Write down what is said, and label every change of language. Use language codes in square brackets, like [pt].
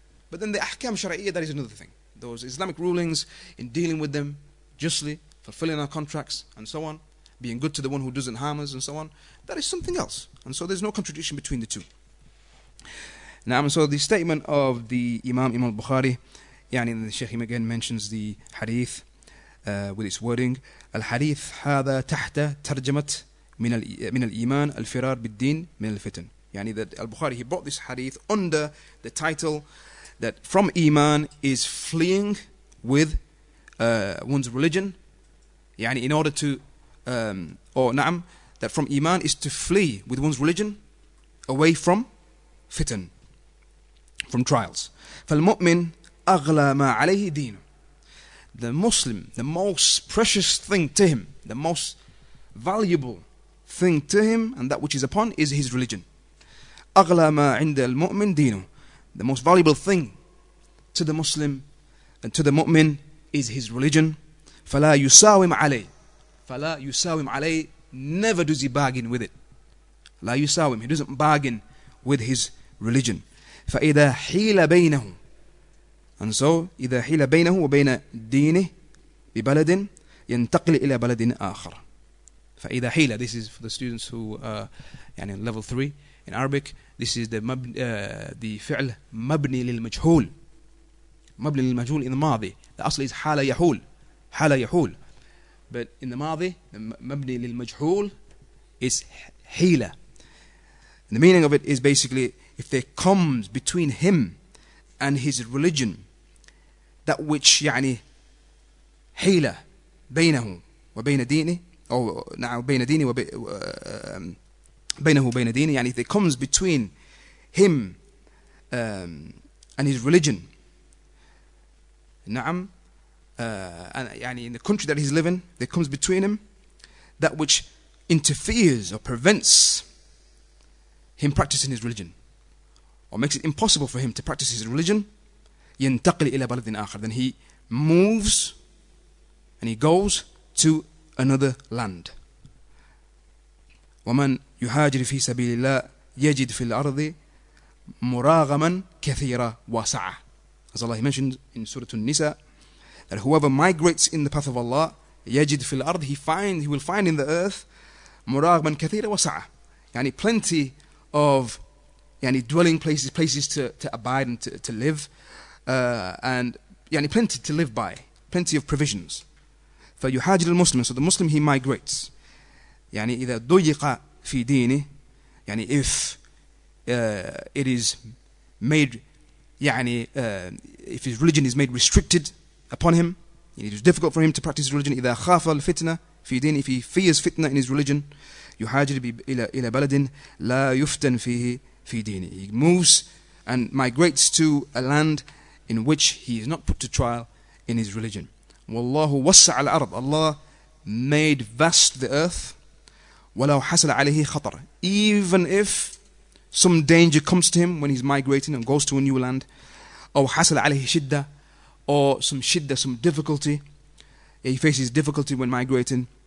[en] But then the ahkam shari'iyah, that is another thing. Those Islamic rulings in dealing with them justly, fulfilling our contracts and so on, being good to the one who doesn't harm us and so on, that is something else. And so there's no contradiction between the two. Now, so the statement of the Imam al-Bukhari, يعني the Sheikh again mentions the hadith with its wording. [ar] الحديث هذا تحت ترجمة من الإيمان الفرار بالدين من الفتن. [en] يعني that al-Bukhari, he brought this hadith under the title that from Iman is fleeing with one's religion. يعني in order to, that from Iman is to flee with one's religion away from fitan, from trials. [ar] فالمؤمن أغلى ما عليه دينه. [en] The Muslim, the most precious thing to him, the most valuable thing to him, and that which is upon, is his religion. [ar] أغلى ما عند المؤمن دينه. [en] The most valuable thing to the Muslim and to the mu'min is his religion. [ar] فلا يساوم عليه. فلا يساوم عليه. [en] Never does he bargain with it. [ar] لا يساوم. [en] He doesn't bargain with his religion. [ar] فإذا حيل بينه. And so, إذا حيل بينه وبين دينه ببلد ينتقل إلى بلد آخر. فإذا حيل. [en] This is for the students who يعني level 3 in Arabic. This is the [ar] فعل مبني للمجهول. مبني للمجهول in the ماضي. The أصل is حال يحول. حال يحول. [en] But in the ماضي, [ar] مبني للمجهول [en] is حيلة. And the meaning of it is basically, if there comes between him and his religion that which يعني [ar] حيلة بينه وبين دينه, [en] أو نعم بين دينه وبينه وبين دينه, يعني if there comes between him and his religion, نعم, يعني in the country that he's living, there comes between him that which interferes or prevents him practicing his religion, or makes it impossible for him to practice his religion, [ar] ينتقل إلى بلد آخر. [en] Then he moves and he goes to another land. [ar] ومن يهاجر في سبيل الله يجد في الأرض مراغما كثيرا واسعة. [en] As Allah mentioned in Surah An-Nisa, that whoever migrates in the path of Allah, [ar] يجد في الأرض, [en] he will find in the earth [ar] مراغما كثيرا واسعة. [en] يعني plenty of يعني dwelling places to abide and to live. And yani plenty to live by, plenty of provisions. [ar] فيهاجر المسلم, [en] so the Muslim he migrates. يعني [ar] إذا ضيق في دينه, [en] يعني if it is made, يعني if his religion is made restricted upon him, it is difficult for him to practice religion. [ar] إذا خاف الفتنة في دينه, [en] if he fears fitna in his religion, [ar] يهاجر إلى بلد لا يفتن فيه في دينه. [en] He moves and migrates to a land in which he is not put to trial in his religion. [ar] Wallahu wassa' al-ard. [en] Allah made vast the earth. [ar] Walau hasala alayhi khatar. [en] Even if some danger comes to him when he's migrating and goes to a new land, [ar] aw hasala alayhi shidda, [en] or some shidda, some difficulty, he faces difficulty when migrating.